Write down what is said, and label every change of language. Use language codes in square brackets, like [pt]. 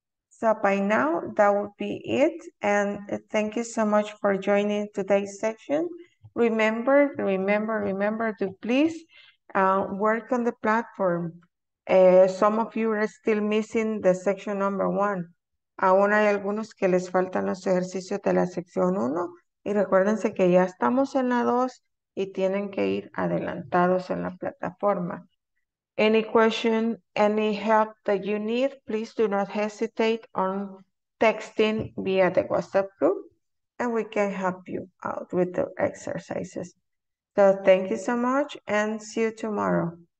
[en] So by now, that would be it. And thank you so much for joining today's session. Remember to please work on the platform. Some of you are still missing the section number 1. [es] Aún hay algunos que les faltan los ejercicios de la sección 1. Y recuérdense que ya estamos en la 2 y tienen que ir adelantados en la plataforma. [en] Any question, any help that you need, please do not hesitate on texting via the WhatsApp group and we can help you out with the exercises. So thank you so much and see you tomorrow.